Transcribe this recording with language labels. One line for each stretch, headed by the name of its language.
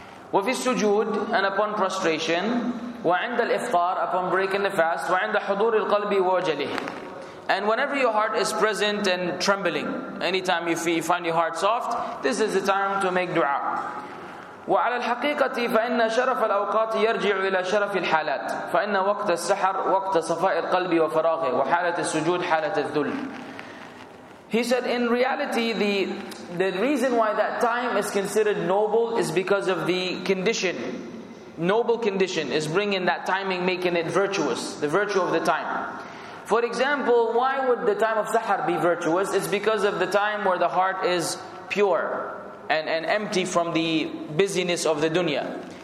Arabic: وَفِي السُّجُودِ.
English: And upon prostration.
Arabic: وعند الإفطار,
English: upon breaking the fast.
Arabic: وعند حضور القلب ووجله.
English: And whenever your heart is present and trembling, anytime you find your heart soft, this is the time to make dua.
Arabic: وعلى الحقيقة فإن شرف الأوقات يرجع إلى شرف الحالات، فإن وقت السحر وقت صفاء القلب وفراغه، وحالة السجود حالة الذل.
English: He said, in reality, the reason why that time is considered noble is because of the condition. Noble condition is bringing that timing, making it virtuous, the virtue of the time. For example, why would the time of Sahar be virtuous? It's because of the time where the heart is pure and empty from the busyness of the dunya.